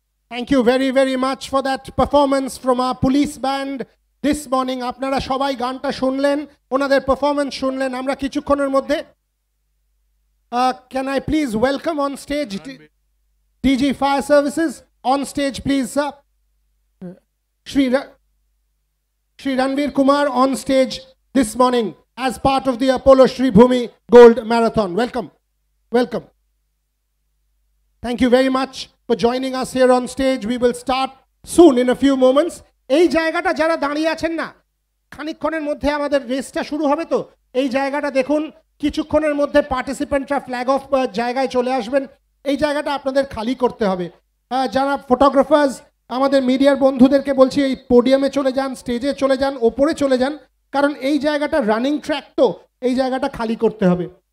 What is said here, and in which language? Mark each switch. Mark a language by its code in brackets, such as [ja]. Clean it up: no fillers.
[en] Thank you very, very much for that performance from our police band this morning. [bn] আপনারা সবাই গানটা শুনলেন, ওনাদের পারফরমেন্স শুনলেন আমরা কিছুক্ষণের মধ্যে. [en] Can I please welcome on stage DG Fire Services? On stage, please, sir. Shri Ranveer Kumar on stage this morning as part of the Apollo Sreebhumi Gold Marathon. Welcome. Welcome. Thank you very much for joining us here on stage. We will start soon in a few moments. [bn] এই জায়গাটা যারা দাঁড়িয়ে আছেন না, খানিকক্ষণের মধ্যে আমাদের রেসটা শুরু হবে. তো এই জায়গাটা দেখুন, কিছুক্ষণের মধ্যে পার্টিসিপেন্টরা ফ্ল্যাগ অফ জায়গায় চলে আসবেন. এই জায়গাটা আপনাদের খালি করতে হবে. যারা ফটোগ্রাফার্স, আমাদের মিডিয়ার বন্ধুদেরকে বলছি, এই পোডিয়ামে চলে যান, স্টেজে চলে যান, ওপরে চলে যান, কারণ এই জায়গাটা রানিং ট্র্যাক, তো এই জায়গাটা খালি করতে হবে.